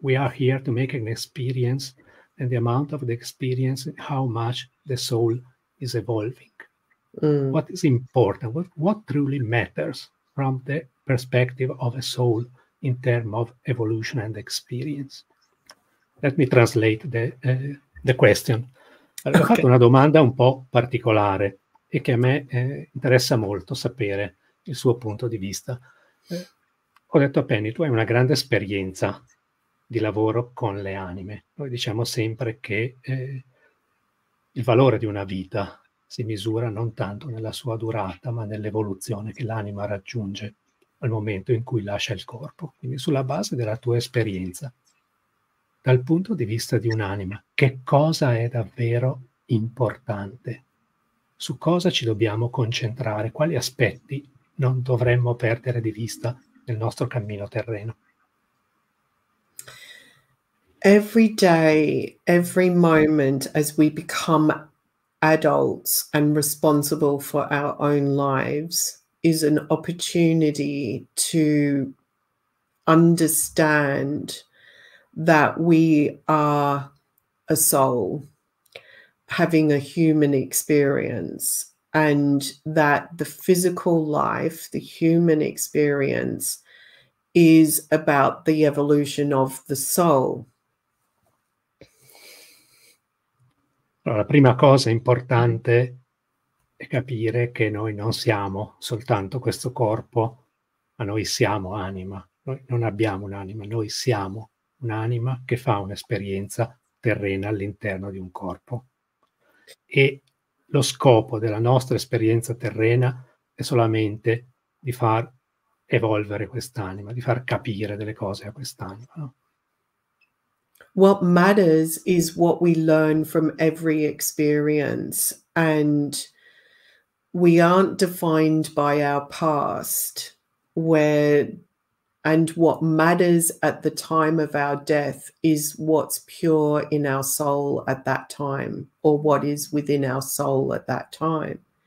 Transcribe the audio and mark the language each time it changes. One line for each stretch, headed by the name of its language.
English: We are here to make an experience, and the amount of the experience, how much the soul is evolving. Mm. What is important? What truly matters from the perspective of a soul in terms of evolution and experience? Let me translate the question.
Italian: Allora, okay. Ho fatto una domanda un po' particolare e che a me interessa molto sapere il suo punto di vista. Ho detto a Penny, tu hai una grande esperienza di lavoro con le anime. Noi diciamo sempre che il valore di una vita si misura non tanto nella sua durata, ma nell'evoluzione che l'anima raggiunge al momento in cui lascia il corpo. Quindi sulla base della tua esperienza, dal punto di vista di un'anima, che cosa è davvero importante? Su cosa ci dobbiamo concentrare? Quali aspetti non dovremmo perdere di vista nel nostro cammino terreno?
English: Every day, every moment, as we become adults and responsible for our own lives, is an opportunity to understand that we are a soul having a human experience, and that the physical life, the human experience, is about the evolution of the soul.
Italian: Allora, la prima cosa importante è capire che noi non siamo soltanto questo corpo, ma noi siamo anima. Noi non abbiamo un'anima, noi siamo un'anima che fa un'esperienza terrena all'interno di un corpo. E lo scopo della nostra esperienza terrena è solamente di far evolvere quest'anima, di far capire delle cose a quest'anima, no?
English: What matters is what we learn from every experience, And we aren't defined by our past, and what matters at the time of our death is what's pure in our soul at that time, or what is within our soul at that time.